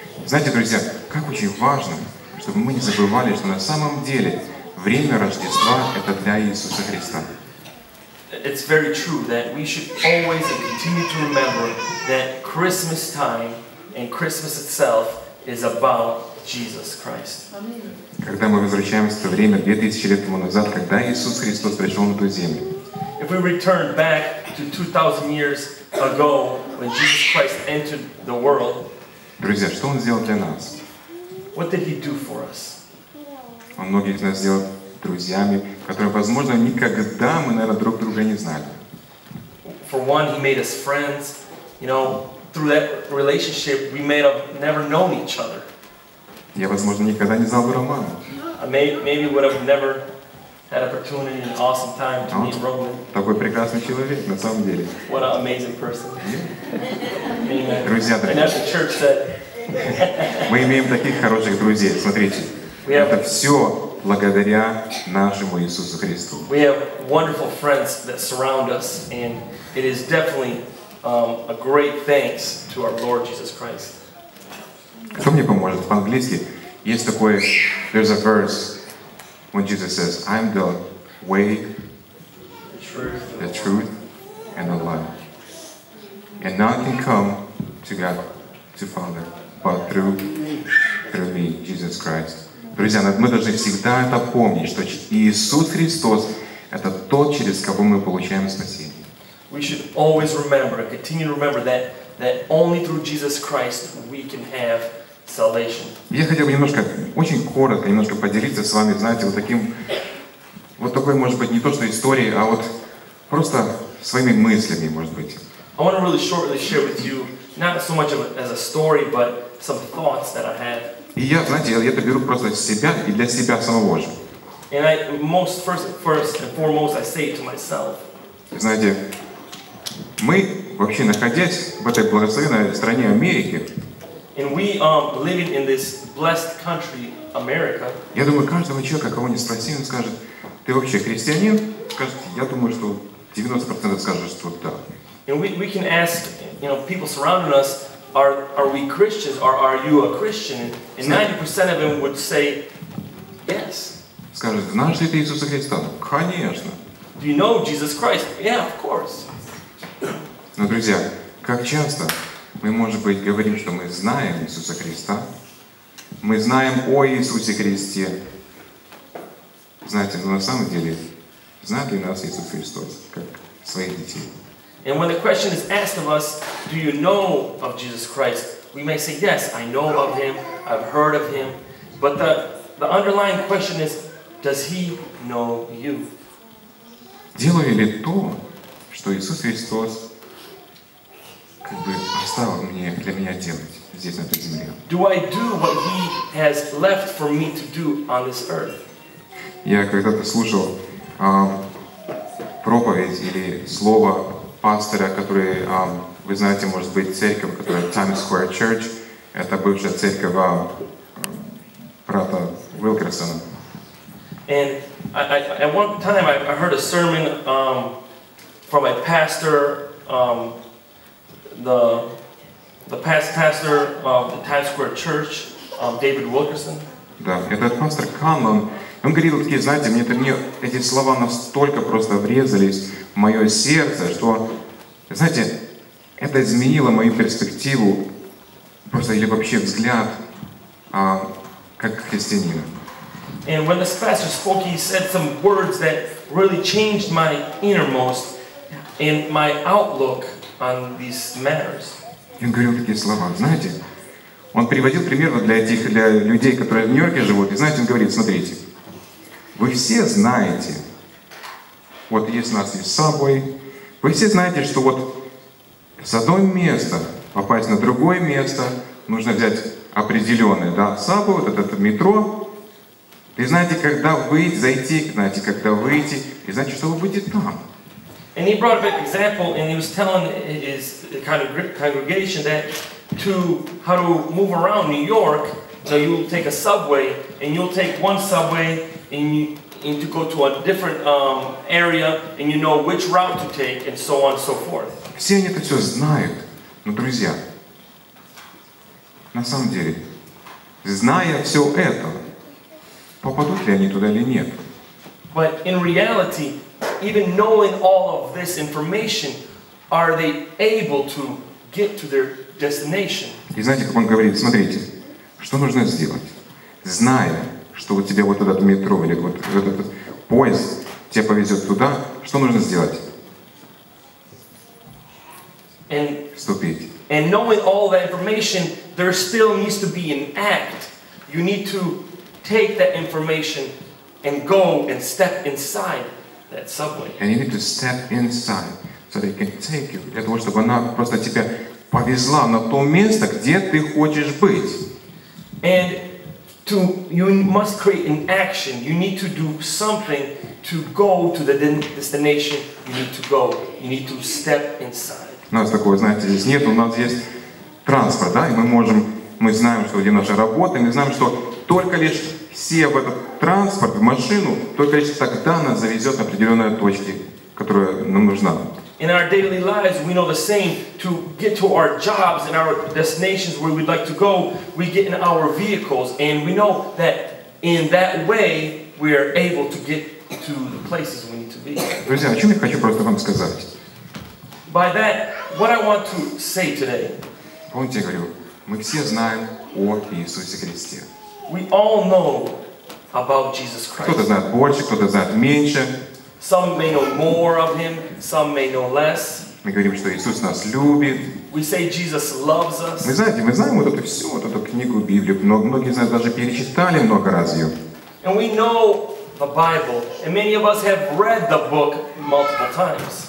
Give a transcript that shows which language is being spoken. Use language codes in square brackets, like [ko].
[ru] Знаете, друзья, как очень важно, чтобы мы не забывали, что на самом деле время Рождества – это для Иисуса Христа. [en] It's very true that we should always and continue to remember that Christmas time and Christmas itself is about Jesus Christ. [ru] Когда мы возвращаемся в то время 2000 лет тому назад, когда Иисус Христос пришел на эту землю. [en] If we return back to 2000 years ago when Jesus Christ entered the world. [ru] Друзья, что Он сделал для нас? [en] What did he do for us? [ru] Он многих из нас сделал друзьями, которые, возможно, никогда мы, наверное, друг друга не знали. [en] For one, he made us friends. You know, through that relationship, we may have never known each other. [ru] Я, возможно, никогда не знал бы Романа. [en] Maybe would have never had opportunity and awesome time to meet Roman. [ru] Такой прекрасный человек, на самом деле. [en] What an amazing person. Yeah. [ru] Друзья, дорогие. [en] And as the church said, [ru] мы имеем таких хороших друзей. Смотрите, это все благодаря нашему Иисусу Христу. [en] We have wonderful friends that surround us, and it is definitely a great thanks to our Lord Jesus Christ. [ru] Кто мне поможет? По-английски есть такое, [en] there's a verse when Jesus says, I'm the way, the truth, and the life. And none can come to God, to Father. But through me, Jesus Christ. [ru] Друзья, мы должны всегда это помнить, что Иисус Христос – это тот, через кого мы получаем спасение. [en] We should always remember, continue to remember that only through Jesus Christ we can have salvation. [ru] Я хотел бы немножко, очень коротко, немножко поделиться с вами, знаете, вот таким, вот такой, может быть, не то что историей, а вот просто своими мыслями, может быть. [en] I want to really shortly share with you not so much of as a story, but some thoughts that I had. [ru] И я, знаете, я это беру просто себя и для себя самого же. [en] And I first and foremost I say it to myself. [ru] Знаете, мы вообще находясь в этой благословенной стране Америки. [en] And we living in this blessed country, America. [ru] Я думаю, каждому человеку, кого не спроси, он скажет, ты вообще христианин? Скажет, я думаю, что 90% скажет, что да. [en] And we can ask, you know, people surrounding us, are we Christians, or are you a Christian? And 90% of them would say, yes. [ru] Скажет, знаешь ли ты Иисуса Христа? Конечно. [en] Do you know Jesus Christ? Yeah, of course. [ru] Но, друзья, как часто мы, может быть, говорим, что мы знаем Иисуса Христа, мы знаем о Иисусе Христе. Знаете, на самом деле, знает ли нас Иисус Христос, как своих детей? [en] And when the question is asked of us, do you know of Jesus Christ? We may say, yes, I know of him, I've heard of him. But the underlying question is, does he know you? [ru] Делаю ли то, что Иисус Христос как бы оставил мне, для меня делать здесь, на этой земле? [en] Do I do what he has left for me to do on this earth? [ru] Я когда-то слушал проповедь или слово пастора, который, вы знаете, может быть, церковь, которая Times Square Church, это бывшая церковь брата Уилкерсона. [en] And at one time I heard a sermon from a pastor, the past pastor of the Times Square Church, David Wilkerson. [ru] Да, этот пастор Канлон, он говорил такие, знаете, мне эти слова настолько просто врезались в мое сердце, что, знаете, это изменило мою перспективу, просто или вообще взгляд, как христианина. [en] And when this pastor spoke, he said some words that really changed my innermost and my outlook on these matters. [ru] Он говорил такие слова, знаете, он приводил пример для этих, для людей, которые в Нью-Йорке живут, и знаете, он говорит, смотрите, вы все знаете, вот есть у нас и Subway, вы все знаете, что вот с одного места попасть на другое место, нужно взять определенное, да, Subway, вот это метро. И знаете, когда выйти, зайти, знаете, когда выйти, и знаете, что будет там. [en] And he brought an example, and he was telling his congregation that to how to move around New York, so you'll take a subway, and you'll take one subway, and to go to a different area, and you know which route to take, and so on and so forth. [ru] Все они это все знают, но, друзья, на самом деле, зная все это, попадут ли они туда или нет? [en] But in reality, even knowing all of this information, are they able to get to their destination? [ru] И знаете, как он говорит, смотрите, что нужно сделать? Зная, что у тебя вот этот метро или вот этот поезд тебя повезет туда, что нужно сделать? [en] And, [ru] вступить. [en] And knowing all that information, there still needs to be an act. You need to take that information and go and step inside that subway. And you need to step inside so they can take you. [ru] Для того, чтобы она просто тебя повезла на то место, где ты хочешь быть. [en] And to you must create an action. You need to do something to go to the destination. You need to go. You need to step inside. [ru] У нас такого, знаете, здесь нет. У нас есть транспорт, да? И мы можем, мы знаем, что где наша работа, мы знаем, что только лишь сев в этот транспорт, в машину, только лишь тогда нас завезет на определенную точку, которая нам нужна. [en] In our daily lives, we know the same. To get to our jobs and our destinations where we'd like to go, we get in our vehicles, and we know that in that way we are able to get to the places we need to be. [ru] Друзья, о чем я хочу просто вам сказать? [en] By that, what I want to say today. [ru] Помните, я говорю, мы все знаем о Иисусе Христе. [en] We all know about Jesus Christ. [ru] Кто-то знает больше, кто-то знает меньше. [en] Some may know more of him, some may know less. [ru] Мы говорим, что Иисус нас любит. [en] We say Jesus loves us. [ru] Вы знаете, мы знаем вот эту всю, вот эту книгу, Библию. Многие из нас даже перечитали много раз ее. [en] And we know the Bible, and many of us have read the book multiple times.